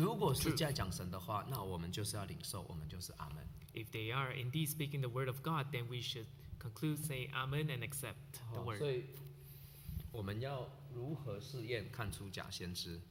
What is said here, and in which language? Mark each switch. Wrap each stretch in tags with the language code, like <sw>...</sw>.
<zh>truth. 如果是在讲神的话，那我们就是要领受，我们就是阿门。</zh> <en>If they are indeed speaking the word of God, then we should conclude, say amen and accept the word.</en> <zh>所以我们要如何试验看出假先知</zh>